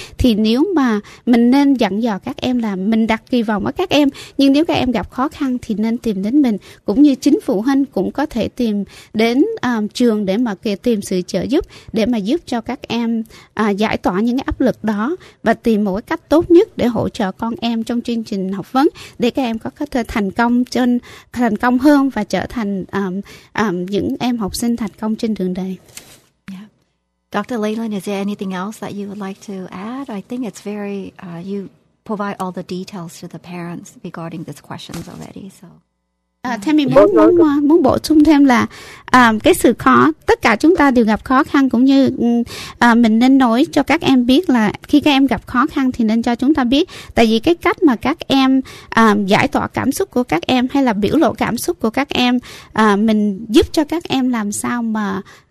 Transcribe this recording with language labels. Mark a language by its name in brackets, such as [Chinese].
[Vietnamese] Thì nếu mà mình nên dặn dò các em là mình đặt kỳ vọng ở các em, nhưng nếu các em gặp khó khăn thì nên tìm đến mình, cũng như chính phụ huynh cũng có thể tìm đến trường để mà tìm sự trợ giúp để mà giúp cho các em giải tỏa những cái áp lực đó và tìm một cái cách tốt nhất để hỗ trợ con em trong chương trình học vấn, để các em có thể thành công hơn và trở thành những em học sinh thành công trên đường đời. [English] Yeah. Dr. Leyland, is there anything else that you would like to add? I think it's very you provide all the details to the parents regarding these questions already. So [Vietnamese] Tammy muốn bổ sung thêm là cái sự khó, tất cả chúng ta đều gặp khó khăn, cũng như mình nên nói cho các em biết là khi các em gặp khó khăn thì nên cho chúng ta biết, tại vì cái cách mà các em giải tỏa cảm xúc của các em hay là biểu lộ cảm xúc của các em, mình giúp cho các em làm sao mà